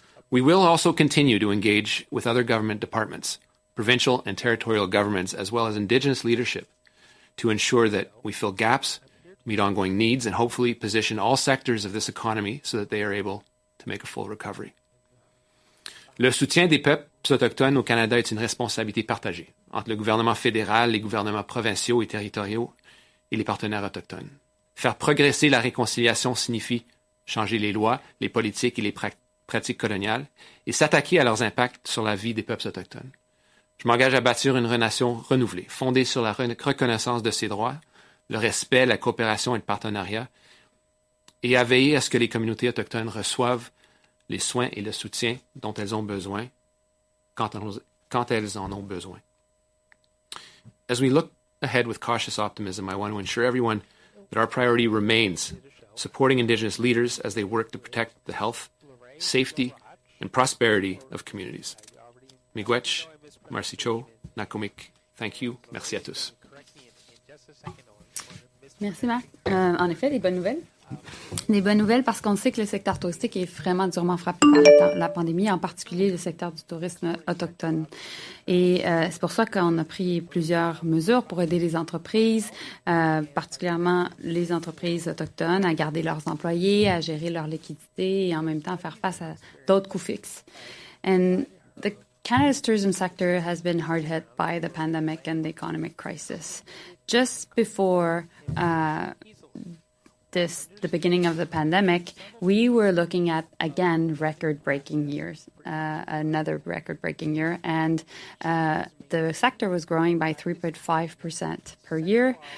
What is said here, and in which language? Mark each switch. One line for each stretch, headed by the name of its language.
English: We will also continue to engage with other government departments, provincial and territorial governments, as well as Indigenous leadership, to ensure that we fill gaps, meet ongoing needs, and hopefully position all sectors of this economy so that they are able to make a full recovery.
French: Le soutien des peuples autochtones au Canada est une responsabilité partagée entre le gouvernement fédéral, les gouvernements provinciaux et territoriaux et les partenaires autochtones. Faire progresser la réconciliation signifie changer les lois, les politiques et les pratiques coloniales et s'attaquer à leurs impacts sur la vie des peuples autochtones. Je m'engage à bâtir une nation renouvelée, fondée sur la reconnaissance de ses droits, le respect, la coopération et le partenariat, et à veiller à ce que les communautés autochtones reçoivent les soins et le soutien dont elles ont besoin quand elles en ont besoin.
English: As we look ahead with cautious optimism, I want to ensure everyone that our priority remains supporting Indigenous leaders as they work to protect the health, safety, and prosperity of communities.
Ojibwa: Miigwech,
French: merci Cho,
Inuktitut: Nakumik,
English: thank you,
French: merci à tous. Merci Marc. En effet, des bonnes nouvelles. Des bonnes nouvelles parce qu'on sait que le secteur touristique est vraiment durement frappé par la pandémie, en particulier le secteur du tourisme autochtone. Et c'est pour ça qu'on a pris plusieurs mesures pour aider les entreprises, particulièrement les entreprises autochtones, à garder leurs employés, à gérer leur liquidité et en même temps faire face à d'autres coûts fixes.
English: And the Canada's tourism sector has been hard hit by the pandemic and the economic crisis. Just before the beginning of the pandemic, we were looking at, again, record-breaking years, another record-breaking year, and the sector was growing by 3.5% per year.